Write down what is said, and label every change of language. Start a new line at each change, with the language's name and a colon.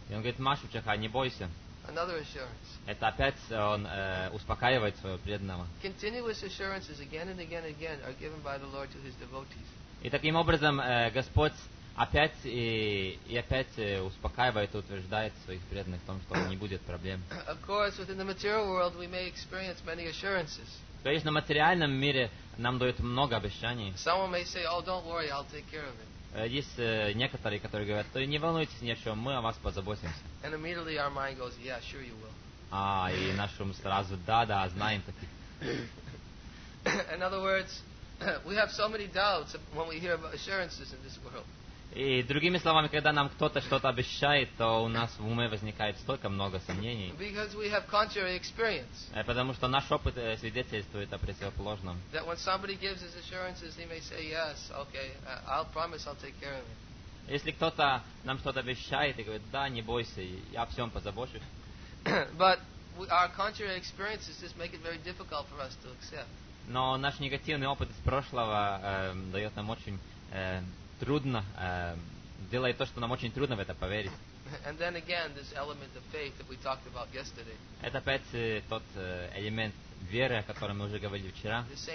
Russian: И он говорит,
Sanskrit: Ма Шучаха,
Russian: не бойся.
English: Another assurance.
Russian: Это опять он успокаивает своего преданного.
English: Continuous assurances again and again and again are given by the Lord to his devotees.
Russian: И таким образом Господь опять и опять успокаивает и утверждает своих преданных в том, что не будет проблем.
English: Of course, within the material world we may experience many assurances.
Russian: Конечно, в материальном мире нам дают много обещаний.
English: Someone may say, "Oh, don't worry, I'll take care of it."
Russian: Есть некоторые, которые говорят, то не волнуйтесь ни о чем, мы о вас позаботимся.
English: And immediately our mind goes, "Yeah, sure you will."
Russian: А и наш ум сразу, да, знаем таких.
English: In other words, we have so many doubts when we hear about assurances in this world.
Russian: И другими словами, когда нам кто-то что-то обещает, то у нас в уме возникает столько много сомнений.
English: Because we have contrary experience.
Russian: Потому что наш опыт свидетельствует о противоположном.
English: That when somebody gives his assurances, he may say, yes, okay, I'll promise I'll take care of it.
Russian: Если кто-то нам что-то обещает и говорит, да, не бойся, я о всем позабочусь.
English: But our contrary experiences just make it very difficult for us to accept.
Russian: Но наш негативный опыт из прошлого дает нам очень... трудно делает то, что нам очень трудно в это поверить.
English: Again,
Russian: это опять тот элемент веры, о котором мы уже говорили вчера.